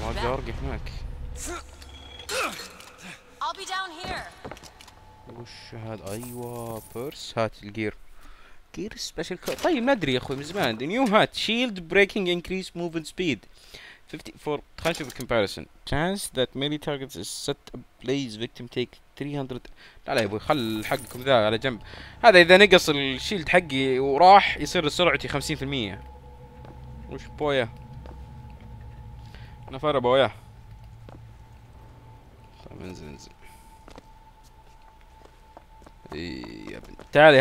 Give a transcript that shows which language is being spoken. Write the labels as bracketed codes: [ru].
[ar] ما اقدر ارقى هناك. [en] I'll be down here. [ar] وش هذا؟ ايوه بيرس هات الجير. جير سبيشال كو. طيب ما ادري يا اخوي من زمان. [en] New hat shield breaking increase movement speed 54. [ar] خلينا نشوف الكومباريسون. [en] Chance that melee targets is set ablaze victim take 300. [ar] لا لا يا ابوي خل حقكم ذا على جنب. هذا اذا نقص الشيلد حقي وراح يصير سرعتي 50%. وش بويا؟ نفر بويا. انزل انزل يا ابن تعالي.